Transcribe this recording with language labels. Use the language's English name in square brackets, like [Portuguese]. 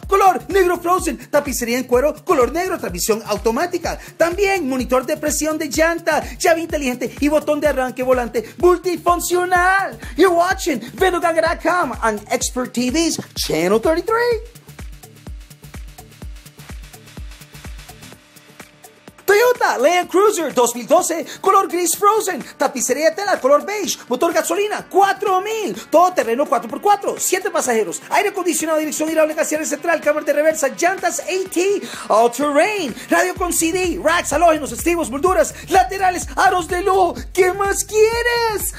[Spanish] Color negro frozen, tapicería en cuero, color negro, transmisión automática. También monitor de presión de llanta, llave inteligente y botón de arranque volante multifuncional. [English] You're watching Vedoganga.com on Expert TV's Channel 33. [Spanish] Toyota Land Cruiser 2012, color gris frozen, tapicería tela, color beige, motor gasolina, 4000, todo terreno 4x4, 7 pasajeros, aire acondicionado, dirección hidráulica, glaciar central, cámara de reversa, llantas AT, all terrain, radio con CD, racks, halógenos, estribos, molduras, laterales, aros de lujo, ¿qué más quieres?